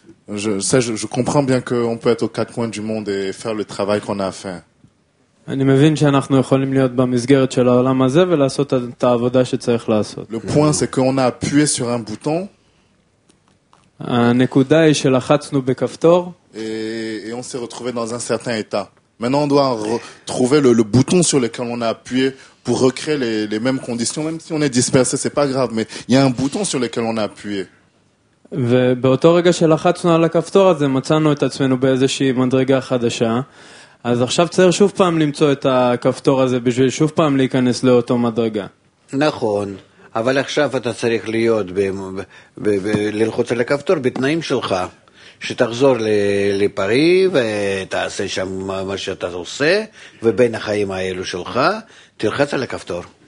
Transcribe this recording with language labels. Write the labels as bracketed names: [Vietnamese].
[French] Je comprends bien qu'on peut être aux quatre coins du monde et faire le travail qu'on a à faire. [Hebrew] אני מבין שאנחנו יכולים להיות במסגרת של העולם הזה ולעשות את העבודה שצריך לעשות. [French] Le point c'est qu'on a appuyé sur un bouton. [Hebrew] הנקודה היא שלחצנו בכפתור. [French] Et on s'est retrouvé dans un certain état. Maintenant on doit trouver le bouton sur lequel on a appuyé pour recréer les mêmes conditions, même si on est dispersé, c'est pas grave, mais il y a un bouton sur lequel on a appuyé. [Hebrew] ובאותו רגע שלחצנו על הכפתור הזה, מצאנו את עצמנו באיזושהי מדרגה חדשה. אז עכשיו צריך שוב פעם למצוא את הכפתור הזה בשביל שוב פעם להיכנס לאותו מדרגה. נכון, אבל עכשיו אתה צריך להיות ללחוץ על הכפתור בתנאים שלך, שתחזור לפרי ותעשה שם מה שאתה עושה, ובין החיים האלו שלך תלחץ על הכפתור.